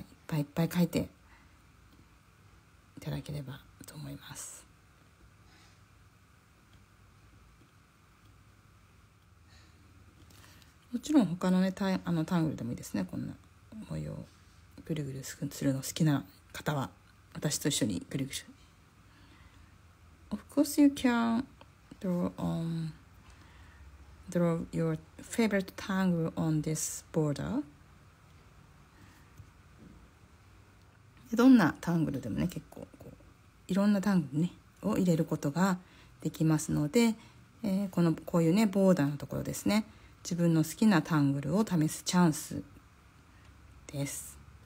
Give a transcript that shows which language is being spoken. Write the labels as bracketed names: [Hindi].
[Japanese] いっぱいいっぱい書いていただければと思います。もちろん他のね、タングルでもいいですね。こんな模様ぐるぐるするの好きな方は私と一緒にぐるぐる。 [English] Of course you can draw your favorite tangle on this border. [Japanese] どんなタングルでもね、結構こういろんなタングル、ね、を入れることができますので、こういうねボーダーのところですね、自分の好きなタングルを試すチャンスです。